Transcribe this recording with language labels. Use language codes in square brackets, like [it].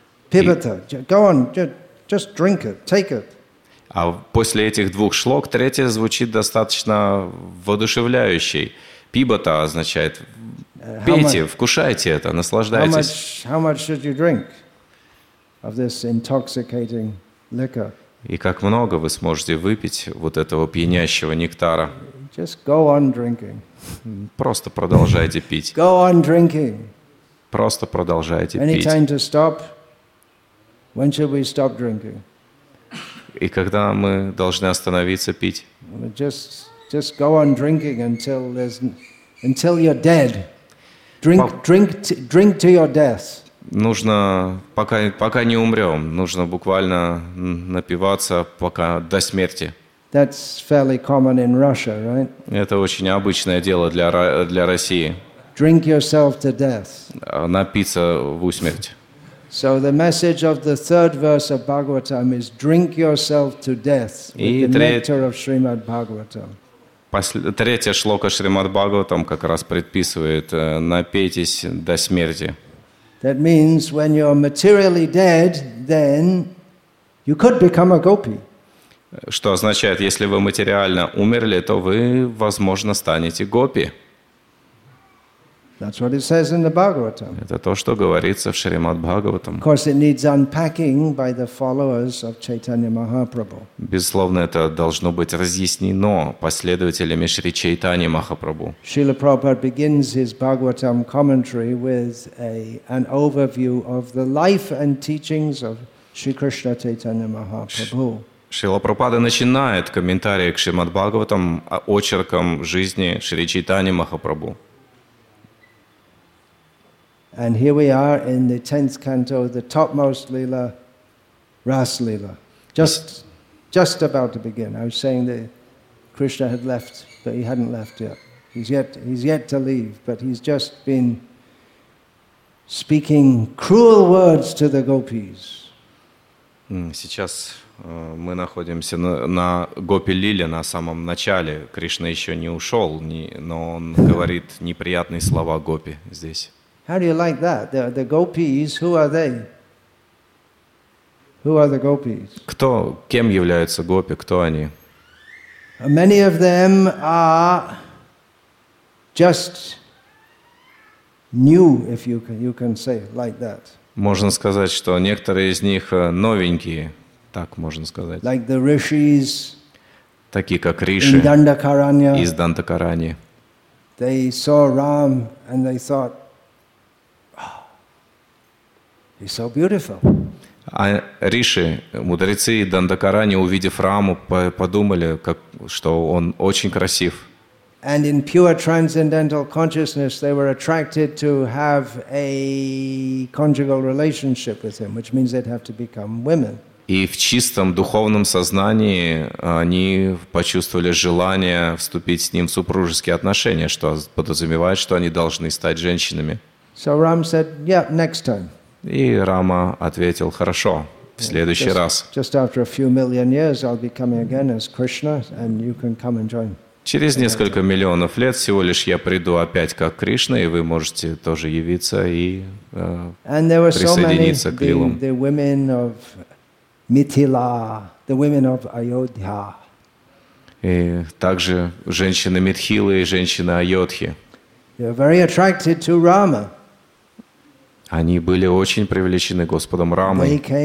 [en] Pibata, go on, just drink it, take it. [ru] А после этих двух шлок третья звучит достаточно воодушевляющей. Пибата означает Пейте, вкушайте это, наслаждайтесь. [en] How much should you drink of this intoxicating liquor? [ru] И как много вы сможете выпить вот этого пьянящего нектара? [en] Just go on drinking. [ru] Просто продолжайте пить. [en] Go on drinking. [ru] Просто продолжайте [en] Any [ru] пить. [en] Time to stop? When should we stop drinking? [ru] И когда мы должны остановиться пить? [en] Just go on drinking until you're dead. Drink to your death. [ru] Нужно, пока не умрем, нужно буквально напиваться пока до смерти. [en] That's fairly common in Russia, right? [ru] Это очень обычное дело для России. [en] Drink yourself to death. [ru] Напиться в усмерть. [en] So the message of the third verse of Bhagavatam is drink yourself to death with the nectar of Srimad Bhagavatam. [ru] Третья шлока Шримад Бхагаватам как раз предписывает напейтесь до смерти. [en] That means when you're materially dead, then you could become a gopi. [ru] Что означает, если вы материально умерли, то вы, возможно, станете гопи. [en] That's what it says in the Bhagavatam. [ru] Это то, что говорится в Шримад Бхагаватам. [en] Of course, it needs unpacking by the followers of Chaitanya Mahaprabhu. [ru] Безусловно, это должно быть разъяснено последователями Шри Чайтани Махапрабху. [en] Srila Prabhupada begins his Bhagavatam commentary with an overview of the life and teachings of Sri Krishna Chaitanya Mahaprabhu. [ru] Шрила Прабхупада начинает комментарий к Шримад Бхагаватам очерком жизни Шри Чайтани Махапрабху. [en] And here we are in the 10th canto, the topmost lila, Ras lila. Just about to begin. I was saying that Krishna had left, but he hadn't left yet. He's yet to leave, but he's just been speaking cruel words to the gopis. [ru] Сейчас мы находимся на гопи-лиле, на самом начале. Кришна еще не ушел, но он говорит неприятные слова гопи здесь. [en] How do you like that? The gopis, who are they? Who are the gopis? [ru] Кто, кем являются гопи, кто они? [en] Many of them are just new, if you can say like that. [ru] Можно сказать, что некоторые из них новенькие, так можно сказать. [en] Like the rishis. [ru] Такие как риши. Из Дандакараньи. [en] They saw Ram and they thought, He's so beautiful. [ru] А риши, мудрецы Дандакарани, увидев Раму, подумали, что он очень красив. [en] And in pure transcendental consciousness, they were attracted to have a conjugal relationship with him, which means they'd have to become women. [ru] И в чистом духовном сознании они почувствовали желание вступить с ним в супружеские отношения, что подразумевает, что они должны стать женщинами. [en] So Ram said, "Yeah, next time." [ru] И Рама ответил, хорошо, в следующий раз. [en] Just after a few million years, I'll be coming again as Krishna, and you can come and join. [ru] Через несколько миллионов лет всего лишь я приду опять как Кришна, и вы можете тоже явиться и присоединиться к лилам. [en] The women of Mithila, the women of Ayodhya. [ru] И также женщины Митхилы и женщины Айодхи. [en] They are very attracted to Rama. [ru] Они были очень привлечены Господом Рамой.